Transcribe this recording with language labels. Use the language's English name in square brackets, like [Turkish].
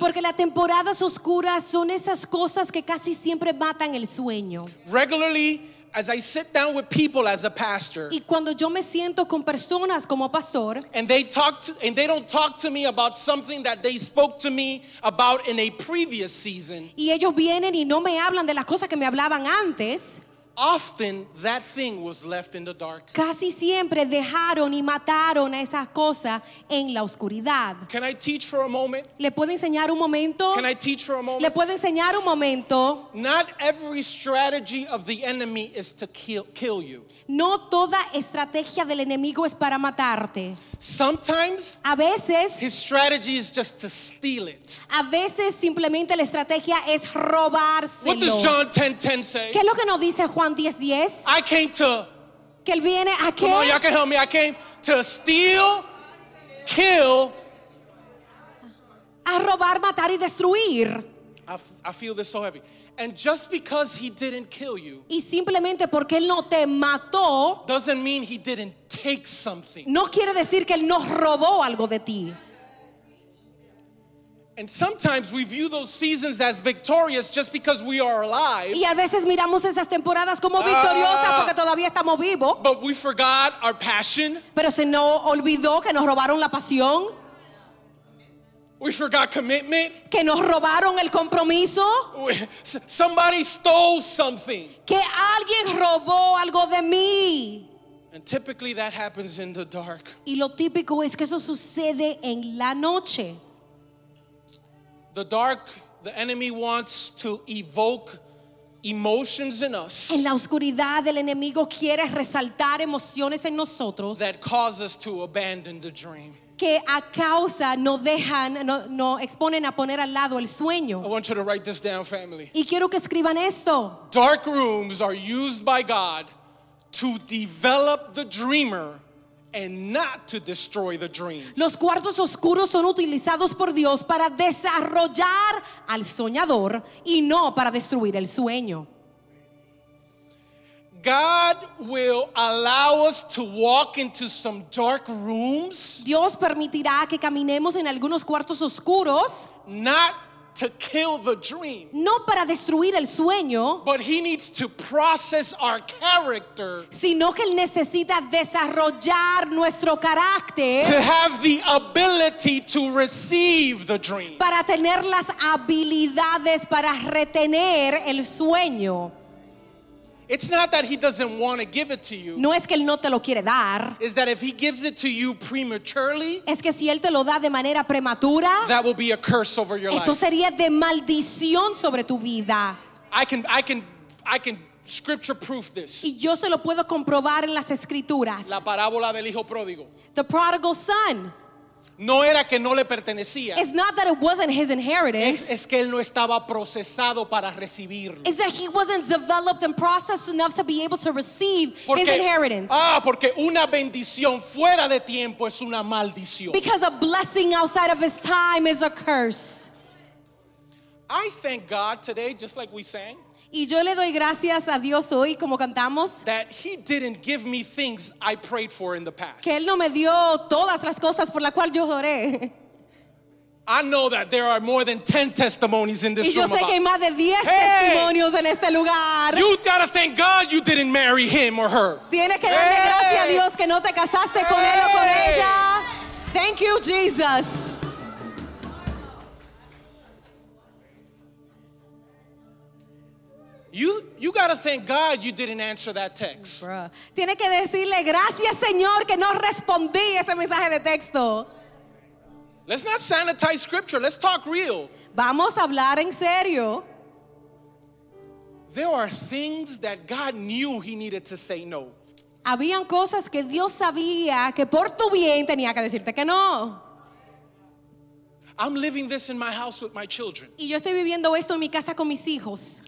[Spanish] Porque las temporadas oscuras son esas cosas que casi siempre matan el sueño. [English] Regularly, as I sit down with people as a pastor, [Spanish] y cuando yo me siento con personas como pastor, [English] and they don't talk to me about something that they spoke to me about in a previous season, [Spanish] y ellos vienen y no me hablan de las cosas que me hablaban antes, [English] often that thing was left in the dark. [Spanish] Casi siempre dejaron y mataron a esa cosa en la oscuridad. [English] Can I teach for a moment? [Spanish] ¿Le puedo enseñar un momento? [English] Can I teach for a moment? [Spanish] ¿Le puedo enseñar un momento? [English] Not every strategy of the enemy is to kill you. [Spanish] No toda estrategia del enemigo es para matarte. [English] Sometimes, [Spanish] a veces, [English] his strategy is just to steal it. [Spanish] A veces simplemente la estrategia es robárselo. [English] What does John 10:10 say? [Spanish] ¿Qué es lo que nos dice Juan 10:10? [English] I came to. [Spanish] ¿Que él viene a qué? [English] Come on, y'all can help me. I came to steal, kill. [Spanish] A robar, matar y destruir. [English] I feel this so heavy. And just because he didn't kill you, [Spanish] y simplemente porque él no te mató, [English] doesn't mean he didn't take something. [Spanish] No quiere decir que él no robó algo de ti. [English] And sometimes we view those seasons as victorious just because we are alive. [Spanish] Y a veces miramos esas temporadas como victoriosas porque todavía estamos vivos. [English] But we forgot our passion. [Spanish] Pero se nos olvidó que nos robaron la pasión. [English] We forgot commitment. [Spanish] Que nos robaron el compromiso. [English] Somebody stole something. [Spanish] Que alguien robó algo de mí. [English] And typically that happens in the dark. [Spanish] Y lo típico es que eso sucede en la noche. [English] The dark, the enemy wants to evoke emotions in us. [Spanish] En la oscuridad, el enemigo quiere resaltar emociones en nosotros. [English] That cause us to abandon the dream. [Spanish] Que a causa nos dejan, nos exponen a poner al lado el sueño. [English] I want you to write this down, family. [Spanish] Y quiero que escriban esto. [English] Dark rooms are used by God to develop the dreamer and not to destroy the dream. [Spanish] Los cuartos oscuros son utilizados por Dios para desarrollar al soñador y no para destruir el sueño. [English] God will allow us to walk into some dark rooms. [Spanish] Dios permitirá que caminemos en algunos cuartos oscuros. [English] Not to kill the dream. [Spanish] No para destruir el sueño. [English] But he needs to process our character. [Spanish] Sino que él necesita desarrollar nuestro carácter. [English] To have the ability to receive the dream. [Spanish] Para tener las habilidades para retener el sueño. [English] It's not that he doesn't want to give it to you. [Spanish] No es que él no te lo quiere dar. [English] Is that if he gives it to you prematurely? [Spanish] Es que si él te lo da de manera prematura. [English] That will be a curse over your life. [Spanish] Eso sería de maldición sobre tu vida. [English] I can scripture proof this. [Spanish] Y yo se lo puedo comprobar en las escrituras. La parábola del hijo pródigo. [English] The prodigal son. [Spanish] No era que no le pertenecía. [English] It's not that it wasn't his inheritance. [Spanish] Es que él no estaba procesado para recibirlo. [English] It's that he wasn't developed and processed enough to be able to receive [Spanish] porque, [English] his inheritance. [Spanish] Porque una bendición fuera de tiempo es una maldición. [English] Because a blessing outside of his time is a curse. I thank God today, just like we sang. [Spanish] Y yo le doy gracias a Dios hoy, como cantamos, [English] that he didn't give me things I prayed for in the past. [Spanish] Que él no me dio todas las cosas por la cual yo oré. [English] I know that there are more than 10 testimonies in this room. [Spanish] Y yo sé que hay más de 10 testimonios en este lugar. [English] You gotta thank God you didn't marry him or her. [Spanish] Tienes que darle gracias a Dios que no te casaste con él o con ella. [English] Thank you, Jesus. You gotta thank God you didn't answer that text. [Spanish] Tiene que decirle gracias, Señor, que no respondí ese mensaje de texto. [English] Let's not sanitize scripture. Let's talk real. [Spanish] Vamos a hablar en serio. [English] There are things that God knew he needed to say no. [Spanish] Habían cosas que Dios sabía que por tu bien tenía que decirte que no. [English] I'm living this in my house with my children. [Spanish] Y yo estoy viviendo esto en mi casa con mis hijos.